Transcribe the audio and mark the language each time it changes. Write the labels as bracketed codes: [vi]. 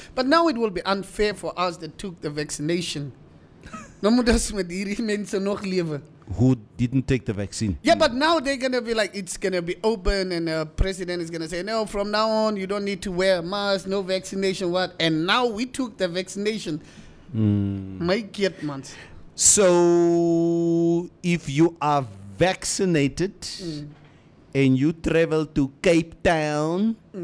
[en] But now it will be unfair for us that took the vaccination. [af] Nou moet ons met hierdie mense nog lewe. [en] Who didn't take the vaccine? Yeah, but now they're going to be like, it's going to be open and the president is going to say, no, from now on, you don't need to wear a mask, no vaccination, what? And now we took the vaccination. My kid, man. So, if you are vaccinated and you travel to Cape Town...